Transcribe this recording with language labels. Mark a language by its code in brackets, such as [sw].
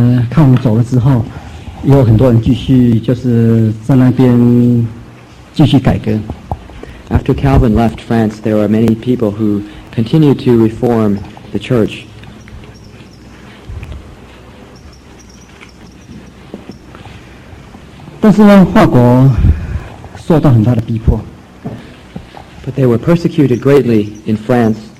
[zh] 抗我们走了之后，有很多人继续就是在那边继续改革。 [en] After Calvin left France, there were many people who continued to reform the church. [zh] 但是呢，法国受到很大的逼迫。 [en] But they were persecuted greatly in France.